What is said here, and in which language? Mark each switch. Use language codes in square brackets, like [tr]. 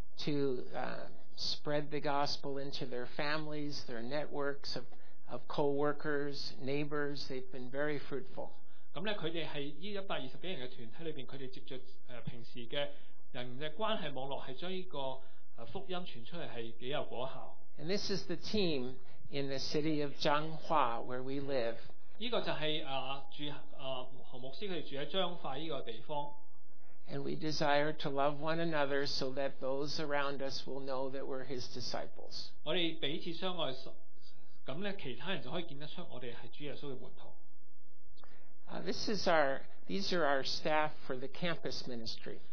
[en] To spread the gospel into their families, their networks of co-workers, neighbors, they've been very fruitful. [yue] 咁咧，佢哋喺呢一百二十幾人嘅團體裏邊，佢哋藉著平時嘅人嘅關係網絡，係將呢個福音傳出嚟，係幾有果效。 [en] And this is the team in the city of Zhanghua where we live. [yue] 呢個就係何牧師佢哋住喺彰化呢個地方。 [en] And we desire to love one another so that those around us will know that we're His disciples. [yue] 我哋彼此相愛，咁咧其他人就可以見得出我哋係主耶穌嘅門徒。 [en] These are our staff for the campus ministry.